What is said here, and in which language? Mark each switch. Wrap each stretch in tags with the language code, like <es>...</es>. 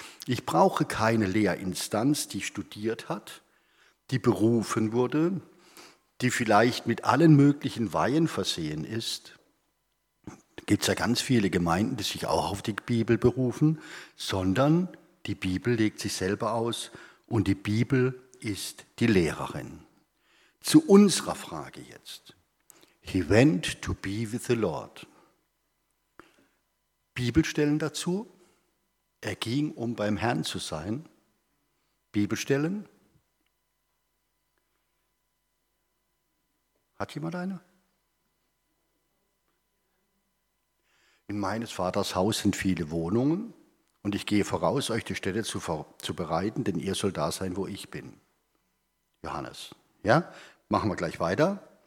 <de>Ich brauche keine Lehrinstanz, die studiert hat, die berufen wurde, die vielleicht mit allen möglichen Weihen versehen ist. Da gibt es ja ganz viele Gemeinden, die sich auch auf die Bibel berufen, sondern die Bibel legt sich selber aus und die Bibel ist die Lehrerin. Zu unserer Frage jetzt.</de> <en>He went to be with the Lord.</en> <de>Bibelstellen dazu. Er ging, um beim Herrn zu sein. Bibelstellen. Hat jemand eine? In meines Vaters Haus sind viele Wohnungen und ich gehe voraus, euch die Stätte zu bereiten, denn ihr sollt da sein, wo ich bin. Johannes. Ja? Machen wir gleich weiter.</de>